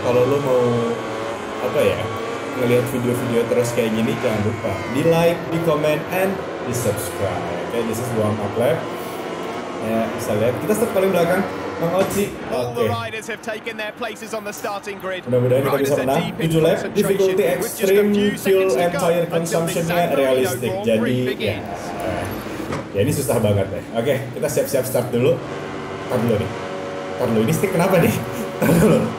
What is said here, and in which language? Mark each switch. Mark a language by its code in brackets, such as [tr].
[id] Kalau lo mau apa ya ngelihat video-video terus kayak gini, jangan lupa di like, di comment, and di subscribe. Okay, this is warm up lap. Ya, bisa lihat kita start paling belakang. Bang Oci. Mudah-mudahan kita bisa menang. [en] 7 lap, difficulty extreme, fuel and tire consumption-nya realistic. [id] Jadi ya ini susah banget deh. Oke, kita siap-siap start dulu. Tar dulu, ini stick kenapa nih? Tar dulu.